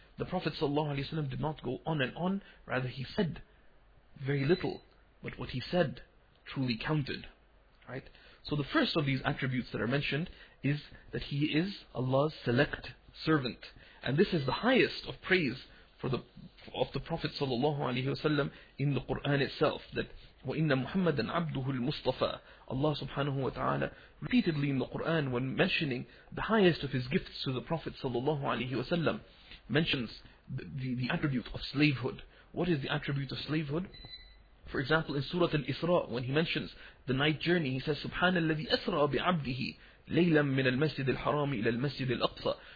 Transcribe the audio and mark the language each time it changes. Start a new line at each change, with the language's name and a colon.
English: The Prophet ﷺ did not go on and on, rather he said very little, but what he said truly counted. Right? So the first of these attributes that are mentioned is that he is Allah's select servant. And this is the highest of praise of the Prophet ﷺ in the Qur'an itself. That
Arabic: وَإِنَّ مُحَمَّدًا عَبْدُهُ الْمُصْطَفَىٰ.
English: Allah subhanahu wa ta'ala repeatedly in the Qur'an, when mentioning the highest of his gifts to the Prophet ﷺ, mentions the attribute of slavehood. What is the attribute of slavehood? For example, in Surah Al-Isra, when he mentions the night journey, he says,
Arabic: سُبْحَانَ الَّذِي أَسْرَى بِعَبْدِهِ لَيْلًا مِنَ الْمَسْجِدِ الْحَرَامِ إِلَى الْمَسْجِدِ الْأَقْصَى.